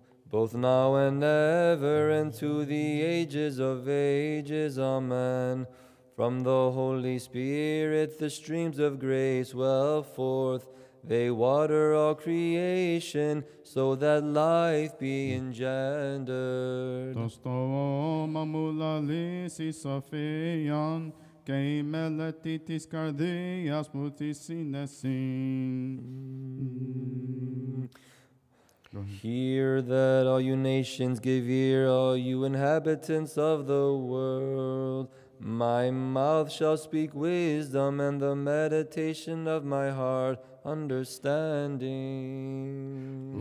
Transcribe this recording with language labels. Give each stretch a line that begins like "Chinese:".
English: Both now and ever and to the ages of ages, amen. From the Holy Spirit the streams of grace well forth. They water all creation, so that life be engendered.
Greek: Το στόμα μου λαλήσει σοφίαν, και η μελέτη της καρδίας μου τη συνεσύν.
English: Hear that, all you nations, give ear, all you inhabitants of the world. My mouth shall speak wisdom, and the meditation of my heart understanding.